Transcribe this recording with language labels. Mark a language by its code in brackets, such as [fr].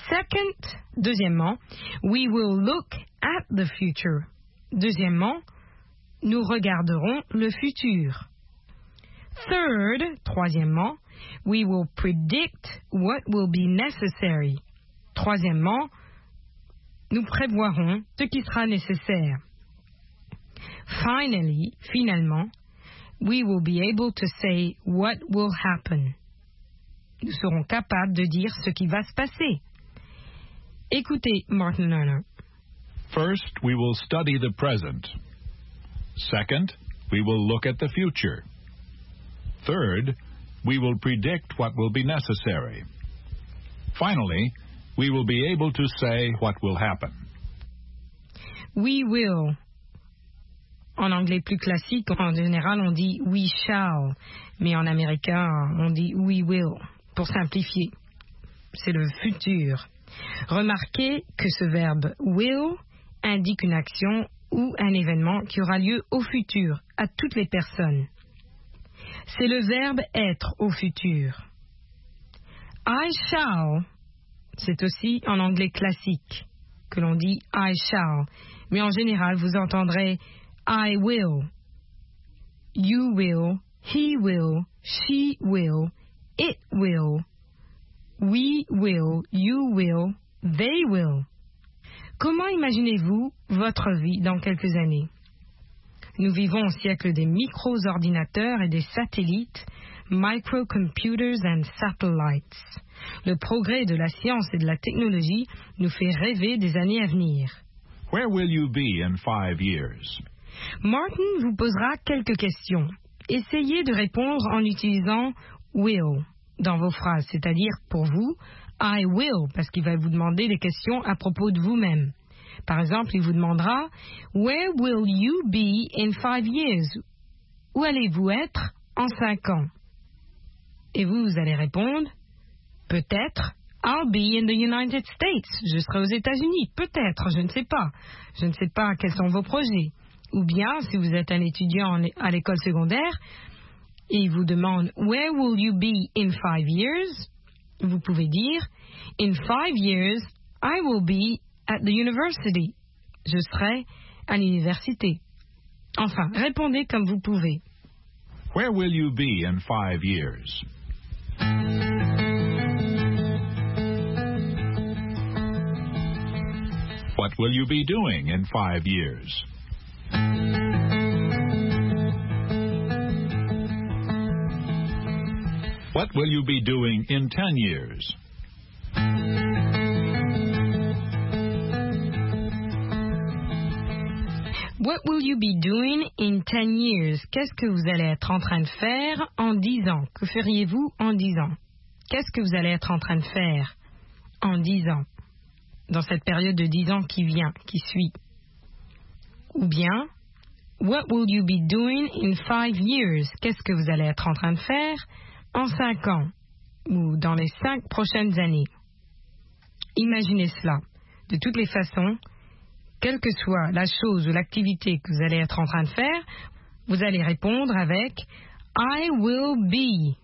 [en] Second, deuxièmement, « we will look at the future. » [fr] Deuxièmement, nous regarderons le futur. [en] Third, troisièmement, we will predict what will be necessary. [fr] Troisièmement, nous prévoirons ce qui sera nécessaire. [en] Finally, finalement, we will be able to say what will happen. [fr] Nous serons capables de dire ce qui va se passer. Écoutez Martin Lerner. [en] First, we will study the present. Second, we will look at the future. Third, we will predict what will be necessary. Finally, we will be able to say what will happen. We will. [fr] En anglais plus classique, en général, on dit [en] we shall. [fr] Mais en américain, on dit [en] we will. [fr] Pour simplifier, c'est le futur. Remarquez que ce verbe will indique une action ou un événement qui aura lieu au futur, à toutes les personnes. C'est le verbe être au futur. [en] I shall, [fr] c'est aussi en anglais classique que l'on dit I shall, mais en général vous entendrez [en] I will, you will, he will, she will, it will, we will, you will, they will. [fr] Comment imaginez-vous votre vie dans quelques années? Nous vivons au siècle des micro-ordinateurs et des satellites, [en] microcomputers and satellites. [fr] Le progrès de la science et de la technologie nous fait rêver des années à venir. [en] Where will you be in 5 years? [fr] Martin vous posera quelques questions. Essayez de répondre en utilisant will dans vos phrases, c'est-à-dire pour vous, [en] I will, [fr] parce qu'il va vous demander des questions à propos de vous-même. Par exemple, il vous demandera « [en] Where will you be in 5 years ?»« [fr] Où allez-vous être en 5 ans ?» Et vous allez répondre « Peut-être, [en] I'll be in the United States. [fr] » »« Je serai aux États-Unis. » »« Peut-être, je ne sais pas. » »« Je ne sais pas quels sont vos projets. » Ou bien, si vous êtes un étudiant à l'école secondaire, et il vous demande « [en] Where will you be in 5 years ?» [fr] Vous pouvez dire [en] « In 5 years, I will be at the university. » [fr] Je serai à l'université. Enfin, répondez comme vous pouvez. [en] Where will you be in 5 years? What will you be doing in 5 years? What will you be doing in 10 years? What will you be doing in 10 years? [fr] Qu'est-ce que vous allez être en train de faire en 10 ans? Que feriez-vous en 10 ans? Qu'est-ce que vous allez être en train de faire en 10 ans? Dans cette période de 10 ans qui vient, qui suit. Ou bien, [en] what will you be doing in 5 years? [fr] Qu'est-ce que vous allez être en train de faire en 5 ans? Ou dans les 5 prochaines années? Imaginez cela. De toutes les façons, quelle que soit la chose ou l'activité que vous allez être en train de faire, vous allez répondre avec [en] I will be.